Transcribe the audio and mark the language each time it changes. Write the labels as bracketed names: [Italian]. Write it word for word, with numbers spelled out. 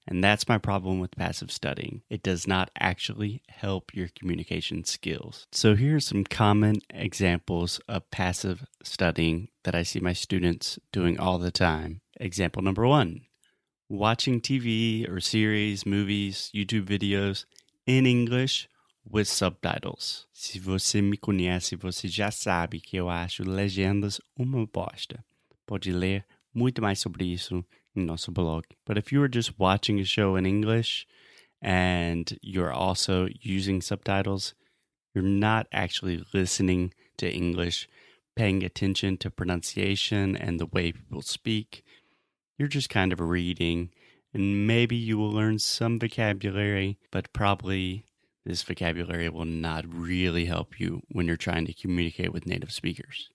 [English] And that's my problem with passive studying. It does not actually help your communication skills. So here are some common examples of passive studying that I see my students doing all the time. Example number one, watching T V or series, movies, YouTube videos in English with subtitles. [Portuguese] Se você me conhece, você já sabe que eu acho legendas uma bosta. Pode ler muito mais sobre isso in nosso blog. [English] But if you are just watching a show in English and you're also using subtitles, you're not actually listening to English, paying attention to pronunciation and the way people speak. You're just kind of reading, and maybe you will learn some vocabulary, but probably this vocabulary will not really help you when you're trying to communicate with native speakers.